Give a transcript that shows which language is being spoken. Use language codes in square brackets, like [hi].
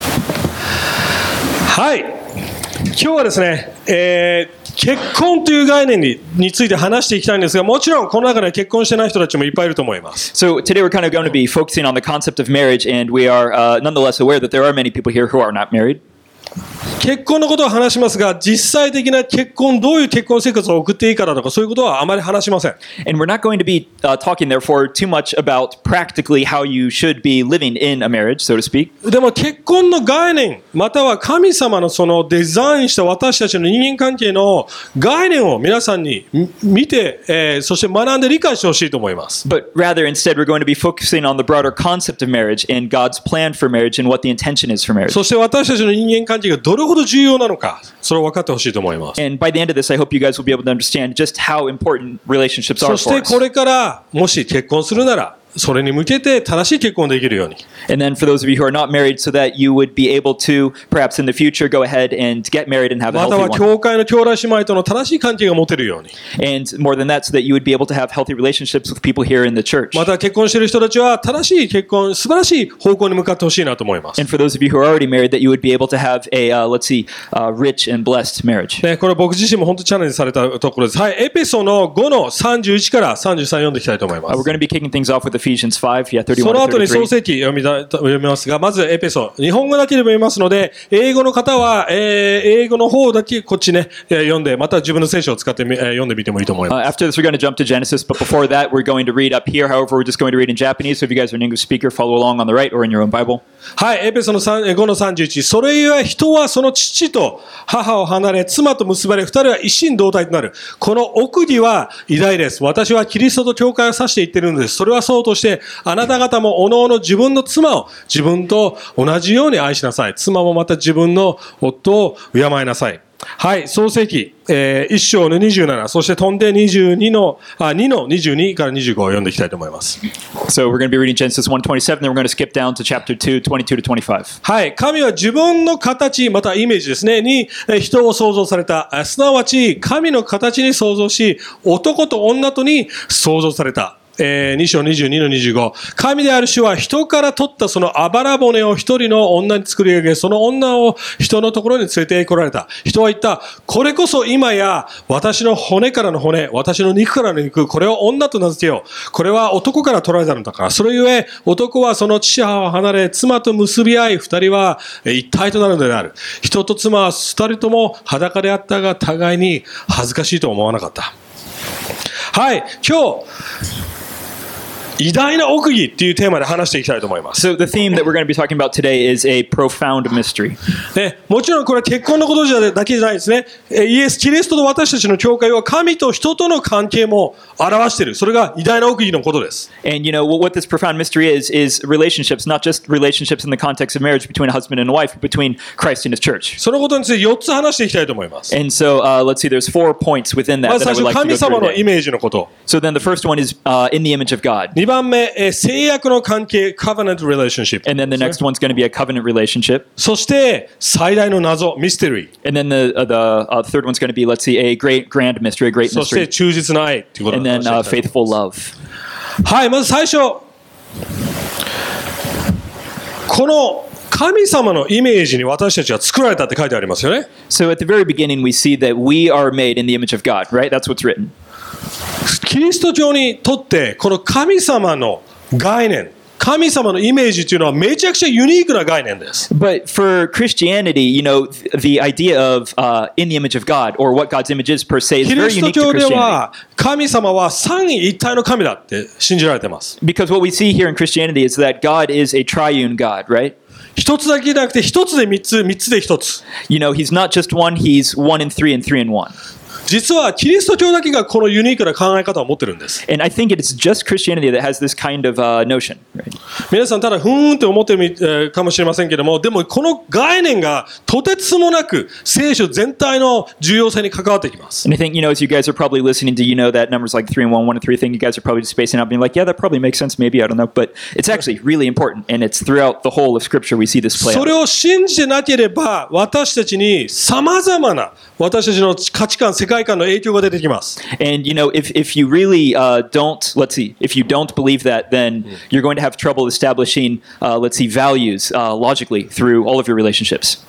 [ja] はい、今日はですね、結婚という概念について話していきたいんですが、もちろんこの中には結婚してない人たちもいっぱいいると思います。 [en] So today we're kind of going to be focusing on the concept of marriage, and we are nonetheless aware that there are many people here who are not married. [ja] 結婚のことを話しますが、実際的な結婚、どういう結婚生活を送っていいかだとか、そういうことはあまり話しません。 [en] And we're not going to be talking, therefore, too much about practically how you should be living in a marriage, so to speak. [ja] でも結婚の概念、または神様のそのデザインした私たちの人間関係の概念を皆さんに見て、そして学んで理解してほしいと思います。 [en] But rather, instead, we're going to be focusing on the broader concept of marriage and God's plan for marriage and what the intention is for marriage. [ja] そして私たちの人間関係がどれほど重要なのか、それを分かってほしいと思います。 [en] And by the end of this, I hope you guys will be able to understand just how important relationships are for us. [ja] そしてこれからもし結婚するなら、それに向けて正しい結婚できるように。 [en] And then for those of you who are not married, so that you would be able to perhaps in the future go ahead and get married and have a healthy one. [ja] または教会の兄弟姉妹との正しい関係が持てるように。 [en] And more than that, so that you would be able to have healthy relationships with people here in the church. [ja] また結婚している人たちは正しい結婚、素晴らしい方向に向かってほしいなと思います。 [en] And for those of you who are already married, that you would be able to have a rich and blessed marriage. [ja] ね、これは僕自身も本当にチャレンジされたところです。はい、エペソの5の31から33読んでいきたいと思います。 [en] We're going to be kicking things off with Ephesians 5, yeah, 31, [ja] その後に創世記読みますが、まずエペソ、日本語だけで読みますので、英語の方は、英語の方だけこっちね、読んで、また自分の聖書を使って、読んでみてもいいと思います。 [en] After this, we're going to jump to Genesis, but before that, we're going to read up here. However, we're just going to read in Japanese, so if you guys are an English speaker, follow along on the right or in your own Bible. [ja] はい、エペソの5の31、それゆえ人はその父と母を離れ、妻と結ばれ、二人は一心同体となる。この奥義は偉大です。私はキリストと教会を指して言ってるのです。それは相当そしてあなた方も各々自分の妻を自分と同じように愛しなさい。妻もまた自分の夫を敬いなさい。はい、創世記、1章の27、そして飛んで2の22から25を読んでいきたいと思います。 [en] So we're going to be reading Genesis 1:27, then we're going to skip down to chapter 2:22-25. [ja] はい、神は自分の形、またイメージですね、に人を創造された。すなわち神の形に創造し、男と女とに創造された。 2章 22-25 神である主は人から取ったそのあばら骨を一人の女に作り上げ、その女を人のところに連れて来られた。人は言った、これこそ今や私の骨からの骨、私の肉からの肉、これを女と名付けよう。これは男から取られたのだから。それゆえ男はその父母を離れ、妻と結び合い、二人は一体となるのである。人と妻は二人とも裸であったが、互いに恥ずかしいと思わなかった。はい、今日偉大な奥義っていうテーマで話していきたいと思います。 [en] So the theme that we're going to be talking about today is a profound mystery. [ja] ね、もちろんこれは結婚のことだけじゃないですね。イエス・キリストと私たちの教会は神と人との関係も表している。それが偉大な奥義のことです。 [en] And you know, what this profound mystery is relationships, not just relationships in the context of marriage between a husband and wife, but between Christ and his church. [ja] そのことについて4つ話していきたいと思います。 [en] And so, let's see, there's four points within that that I would like to go through. [ja] まず最初、神様のイメージのこと。 [en] So then the first one is, in the image of God. [ja] 2番目、契約の関係、 [en] covenant relationship. And then the next one's going to be a covenant relationship. [ja] そして最大の謎、mystery. [en] And then the third one's going to be, let's see, a great grand mystery, a great mystery. [ja] そして忠実な愛ということ [en] で。And then faithful love. [ja] はい、まず最初、この神様のイメージに私たちは作られたって書いてありますよね。 [en] So at the very beginning, we see that we are made in the image of God, right? That's what's written. [ja] キリスト教にとってこの神様の概念、神様のイメージというのはめちゃくちゃユニークな概念です。 [en] But for Christianity, you know, the idea of in the image of God or what God's image is per se is very unique to Christianity. [ja] キリスト教では神様は三位一体の神だって信じられてます。 [en] Because what we see here in Christianity is that God is a triune God, right? [ja] 一つだけじゃなくて一つで三つ、三つで一つ。 [en] You know, he's not just one, he's one and three and three and one. [ja] 実はキリスト教だけがこのユニークな考え方を持ってるんです。 [en] And I think it's just Christianity that has this kind of notion. [ja] 皆さんただふーんって思ってるかもしれませんけども、でもこの概念がとてつもなく聖書全体の重要性に関わってきます。 [en] And I think, you know, as you guys are probably listening to, you know, that numbers like 3 and 1, 1 and 3 thing, you guys are probably spacing out being like, yeah, that probably makes sense, maybe, I don't know. But it's actually really important, and it's throughout the whole of Scripture we see this play out. [ja] それを信じなければ私たちに様々な私たちの価値観、世界界観の影響が出てきます。 [en] And you know, if you really don't, let's see, if you don't believe that, then you're going to have trouble establishing, let's see, values logically through all of your relationships.